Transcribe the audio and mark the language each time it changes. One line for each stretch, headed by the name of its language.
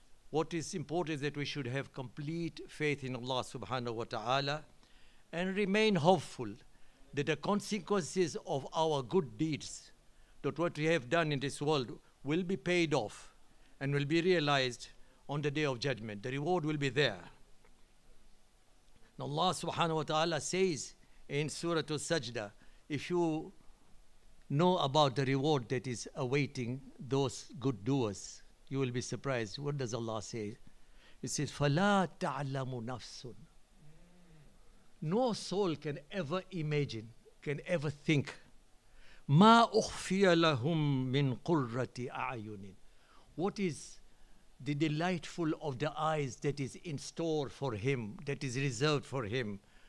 English: What is important is that we should have complete faith in Allah subhanahu wa ta'ala and remain hopeful that the consequences of our good deeds, that what we have done in this world, will be paid off and will be realized on the Day of Judgment. The reward will be there. Now Allah subhanahu wa ta'ala says in Surah Al-Sajdah, if you know about the reward that is awaiting those good doers, you will be surprised. What does Allah say? It says,
Arabic: فَلَا تَعْلَمُ نَفْسٌ.
English: No soul can ever imagine, can ever think,
Arabic: مَا أُخْفِيَ لَهُم مِّن قُرَّةِ أَعْيُنٍ.
English: What is the delightful of the eyes that is in store for him, that is reserved for him?